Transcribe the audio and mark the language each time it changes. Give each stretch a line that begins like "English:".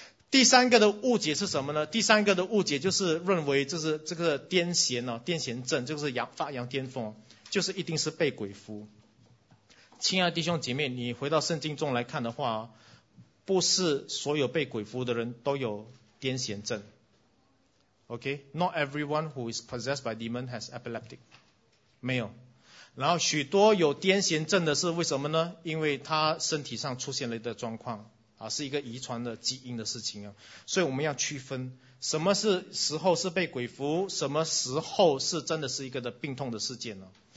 Chinese: 第三个的误解是什么呢？第三个的误解就是认为这个癫痫哦，癫痫症就是发扬癫疯，就是一定是被鬼附。亲爱的弟兄姐妹，你回到圣经中来看的话，不是所有被鬼附的人都有癫痫症。
English: Okay, not everyone who is possessed by demon has epileptic.
Chinese: 没有。然后许多有癫痫症的是为什么呢？因为他身体上出现了一个状况。是一个遗传的基因的事情啊，所以我们要区分什么是时候是被鬼附，什么时候是真的是一个的病痛的事件呢？